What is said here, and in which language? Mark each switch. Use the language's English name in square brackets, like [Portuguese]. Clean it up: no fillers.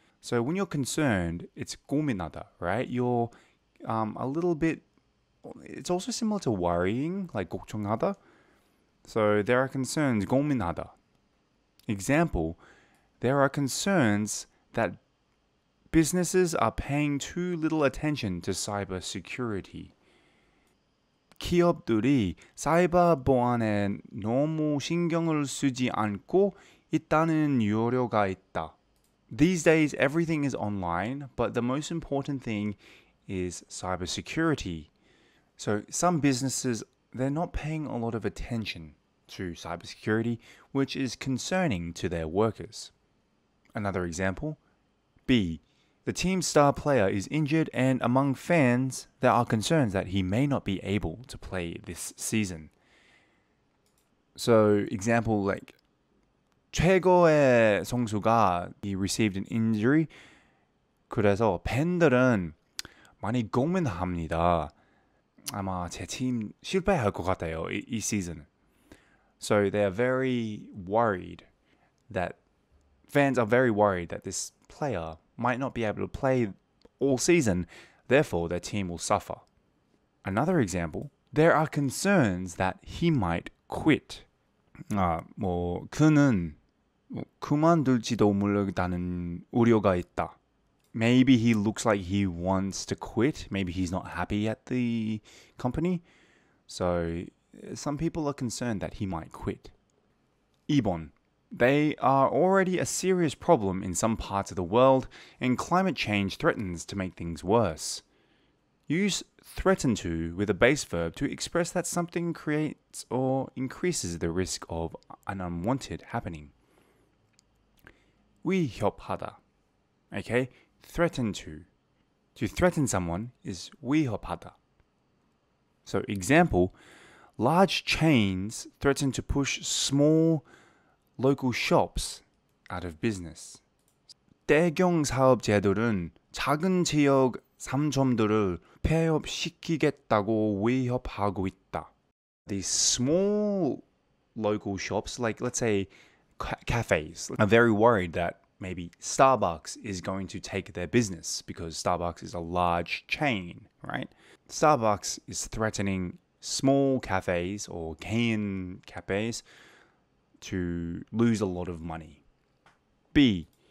[English] So when you're concerned, it's 고민하다, right? You're a little bit, it's also similar to worrying, like 걱정하다. So there are concerns, 고민하다. Example, there are concerns that businesses are paying too little attention to cybersecurity. [Korean] 기업들이 사이버 보안에 너무 신경을 쓰지 않고 있다는 우려가 있다. [English] These days, everything is online, but the most important thing is cybersecurity. So some businesses, they're not paying a lot of attention to cybersecurity, which is concerning to their workers. Another example, B. The team's star player is injured, and among fans, there are concerns that he may not be able to play this season. So, example, like, [Korean] 최고의 선수가, [English] he received an injury. [Korean] 그래서 팬들은 많이 고민합니다. 아마 제 팀 실패할 것 같아요, 이 season. [English] So, they are very worried that, fans are very worried that this player might not be able to play all season, therefore their team will suffer. Another example, there are concerns that he might quit. [Korean] 뭐 그는 그만둘지도 모르겠다는 우려가 있다. [English] Maybe he looks like he wants to quit. Maybe he's not happy at the company. So some people are concerned that he might quit. [Korean] 2번. [English] They are already a serious problem in some parts of the world, and climate change threatens to make things worse. Use threaten to with a base verb to express that something creates or increases the risk of an unwanted happening. 위협하다. Okay, threaten to. To threaten someone is 위협하다. So, example, large chains threaten to push small local shops out of business. [Korean] 대경 사업체들은 작은 지역 상점들을 폐업시키겠다고 위협하고 있다. [English] These small local shops, like let's say cafes, are very worried that maybe Starbucks is going to take their business because Starbucks is a large chain, right? Starbucks is threatening small cafes or chain cafes to lose a lot of money. B.